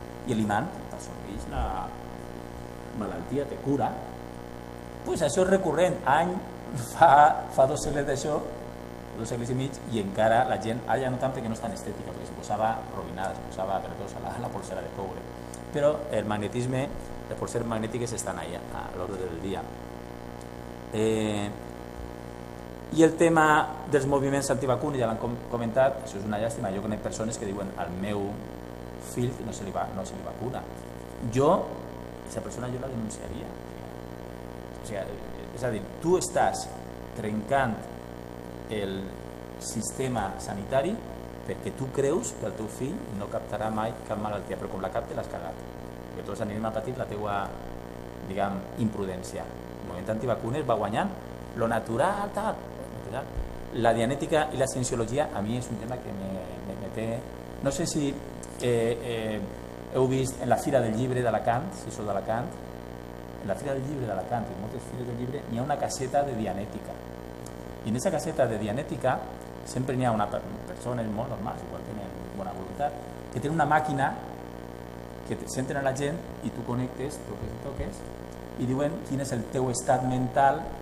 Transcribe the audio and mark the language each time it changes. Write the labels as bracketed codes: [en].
[ca] I l'imant t'assorbeix la malaltia, te cura. Doncs això és recurrent. Any, fa dos segles d'això, dos segles i mig, i encara la gent, allà no tant perquè no és tan estètica, perquè es posava robinada, es posava, per tot, a la polsera de coure. Però el magnetisme [es] de por ser magnéticas están ahí [ca] a l'ordre del dia. I el tema dels moviments antivacunes, ja l'han comentat, això és una llàstima. Jo conec persones que diuen al meu fill que no se li vacuna. Jo, aquesta persona, jo la denunciaria. O sigui, és a dir, tu estàs trencant el sistema sanitari perquè tu creus que el teu fill no captarà mai cap malaltia, però com la capte l'has cagat. Que tots anirem a patir la teua, diguem, imprudència. El moviment antivacunes va guanyant. Lo natural, tal. [es] La dianética y la cienciología a mí es un tema que me té... [ca] No sé si heu vist en la fira del llibre d'Alacant, si sou d'Alacant, en la fira del llibre d'Alacant, en moltes fires del llibre, n'hi ha una caseta de dianética. I en aquesta caseta de dianética sempre n'hi ha una persona molt normal, igual tenen bona voluntat, que té una màquina que senten a la gent i tu connectes, toques, i diuen quin és el teu estat mental.